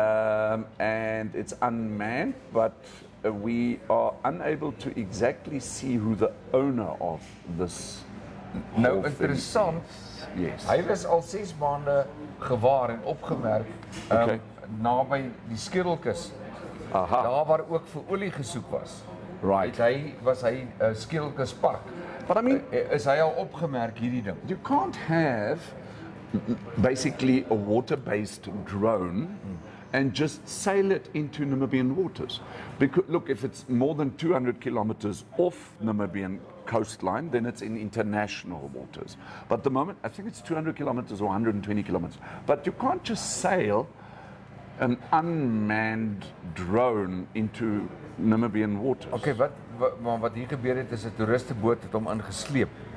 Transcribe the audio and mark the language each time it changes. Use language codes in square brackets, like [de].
[en] And it's unmanned, but we are unable to exactly see who the owner of this. [af] Nou, interessant. [en] Yes. [af] Hy was al 6 maande gewaar en opgemerk naby die skedelkus. Aha. Daar waar ook vir olie gesoek was. [en] Right. [af] Hy was hy skedelkus park. [en] But I mean, [af] is hy al opgemerk hierdie ding? [en] You can't have basically a water-based drone and just sail it into Namibian waters. Because look, if it's more than 200 kilometers off Namibian coastline, then it's in international waters. But at the moment, I think it's 200 kilometers or 120 kilometers. But you can't just sail an unmanned drone into Namibian waters. [af] Okay, wat hier gebeur het is 'n toeristeboot het hom ingesleep.